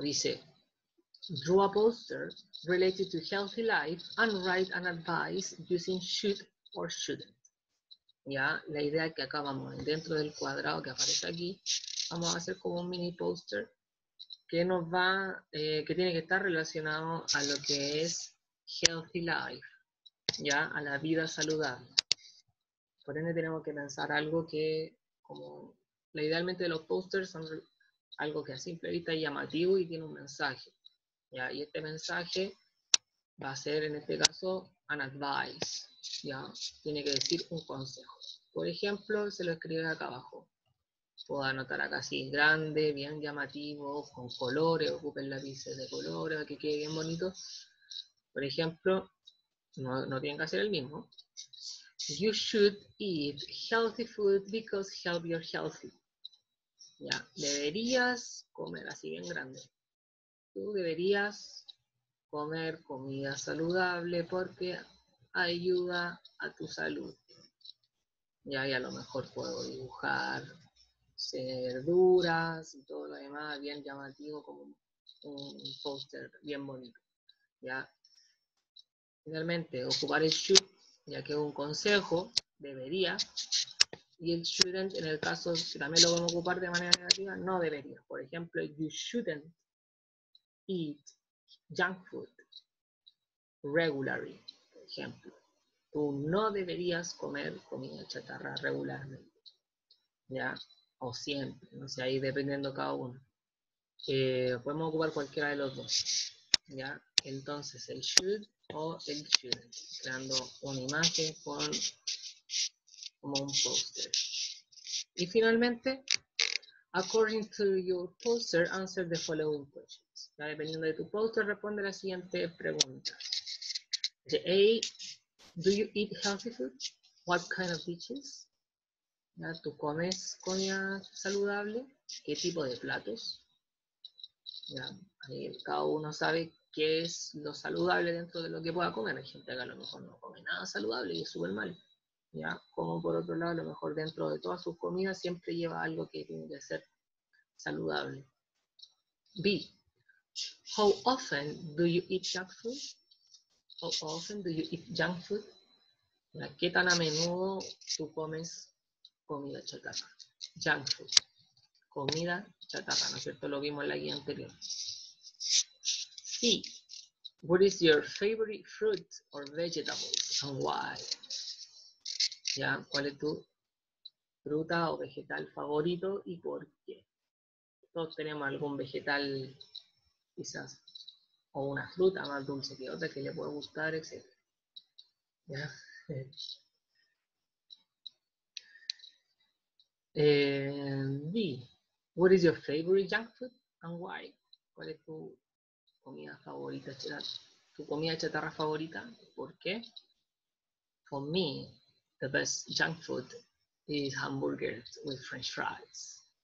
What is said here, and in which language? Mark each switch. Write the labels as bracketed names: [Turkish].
[Spanish] Dice, [English] draw a poster related to healthy life and write an advice using should or shouldn't. [Spanish] Ya, la idea es que acá vamos, dentro del cuadrado que aparece aquí, vamos a hacer como un mini poster que nos va, que tiene que estar relacionado a lo que es [English] healthy life, [Spanish] ya, a la vida saludable. Por ende, tenemos que pensar algo que, como, la idealmente de los posters son algo que a simple vista es llamativo y tiene un mensaje. ¿Ya? Y este mensaje va a ser en este caso [English] an advice. [Spanish] ¿Ya? Tiene que decir un consejo. Por ejemplo, se lo escribe acá abajo. Puedo anotar acá así, grande, bien llamativo, con colores, ocupen lápices de colores para que quede bien bonito. Por ejemplo, no tienen que hacer el mismo. [English] You should eat healthy food because help your healthy. [Spanish] Ya, deberías comer así bien grande. Tú deberías comer comida saludable porque ayuda a tu salud. Ya, y a lo mejor puedo dibujar verduras y todo lo demás bien llamativo como un póster bien bonito. Ya, finalmente, ocupar el should, ya que es un consejo, debería. Y el shouldn't, en el caso, si también lo vamos a ocupar de manera negativa, no debería. Por ejemplo, [English] you shouldn't eat junk food regularly. [Spanish] Por ejemplo, tú no deberías comer comida chatarra regularmente. ¿Ya? O siempre. No sé, ahí dependiendo cada uno. Podemos ocupar cualquiera de los dos. ¿Ya? Entonces, el should o el shouldn't. Creando una imagen con como un póster. Y finalmente, [English] according to your poster, answer the following questions. [Spanish] ¿Ya? Dependiendo de tu póster, responde las siguientes preguntas. Dice, [English] A, do you eat healthy food? What kind of dishes? [Spanish] ¿Ya? ¿Tú comes comida saludable? ¿Qué tipo de platos? ¿Ya? Ahí cada uno sabe qué es lo saludable dentro de lo que pueda comer. Hay gente que a lo mejor no come nada saludable y es súper mal. ¿Ya? Como por otro lado, a lo mejor dentro de todas sus comidas siempre lleva algo que tiene que ser saludable. [English] B. How often do you eat junk food? How often do you eat junk food? [Spanish] ¿Qué tan a menudo tú comes comida chatarra? Junk food. Comida chatarra, ¿no es cierto? Lo vimos en la guía anterior. C. [English] What is your favorite fruit or vegetables and why? [Spanish] ¿Ya? ¿Cuál es tu fruta o vegetal favorito y por qué? Todos tenemos algún vegetal, quizás, o una fruta más dulce que otra que le puede gustar, etc. ¿Ya? D. [English] What is your favorite junk food and why? [Spanish] ¿Cuál es tu comida favorita, tu comida chatarra favorita? ¿Por qué? [English] For me, the best junk food is hamburgers with french fries.